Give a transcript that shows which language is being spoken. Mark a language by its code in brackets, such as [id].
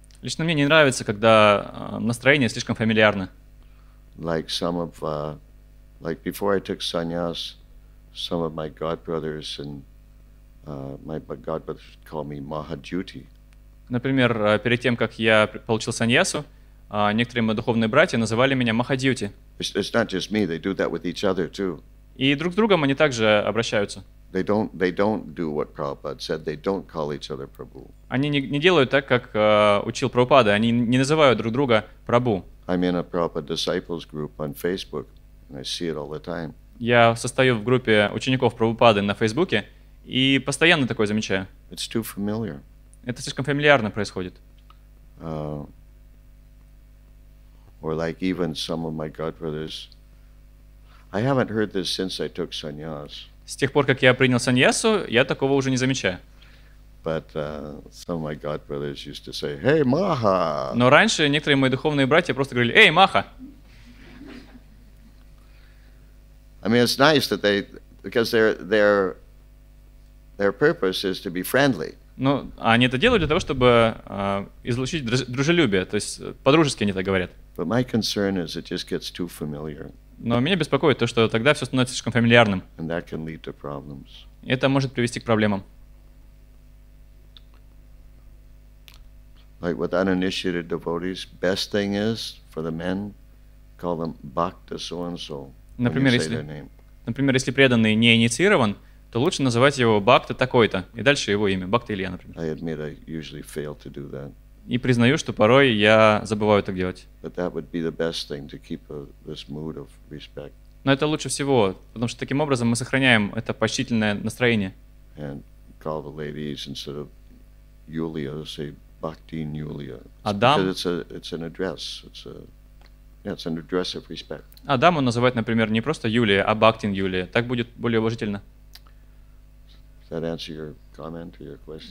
[ru] Лично мне не нравится, когда настроение слишком фамильярно. [en] Like some of like before I took sannyas, some of my godbrothers and my godbrothers would call me Mahajyoti. [ru] Например, перед тем как я получил саньясу, некоторые мои духовные братья называли меня Mahajyoti. [en] It's not just me, they do that with each other too. [ru] И друг с другом они также обращаются. [en] They don't do what Prabhupada said, they don't call each other Prabhu. [ru] Они не делают так, как учил Прабхупада, они не называют друг друга Прабу. [en] I'm in a Prabhupada disciples group on Facebook and I see it all the time. [ru] Я состою в группе учеников Прабхупады на Фейсбуке и постоянно такое замечаю. [en] It's too familiar. [ru] Это слишком фамильярно происходит. [en] Or like even some of my godbrothers. I haven't heard this since I took sannyas. [ru] С тех пор, как я принял саньясу, я такого уже не замечаю. [en] But some of my godbrothers used to say, "Hey, Maha." [ru] Но раньше некоторые мои духовные братья просто говорили, "Эй, Маха." [en] I mean, it's nice that they, because their purpose is to be friendly. [ru] Ну, они это делают для того, чтобы излучить дружелюбие, то есть по-дружески они так говорят. [en] But my concern is it just gets too familiar. [ru] Но меня беспокоит то, что тогда все становится слишком фамильярным. [en] And that can lead to problems. [ru] Это может привести к проблемам. [en] Like with uninitiated devotees, best thing is for the men, call them Bhakta so and so. [ru] Например, если преданный не инициирован, то лучше называть его Бхакта такой-то, и дальше его имя, Бхакта Илья, например. [en] I admit I usually fail to do that. [ru] И признаю, что порой я забываю так делать. [en] But that would be the best thing to keep this mood of respect. [ru] Но это лучше всего, потому что таким образом мы сохраняем это почтительное настроение. [en] And call the ladies instead of Yulia, say Bhakti and Yulia. [ru] Адам. [en] Because it's an address. Yeah, it's an address of respect. [ru] Адаму называть, например, не просто Юлия, а Бхактин Юлия. Так будет более уважительно. [en] Does that answer your comment or your question?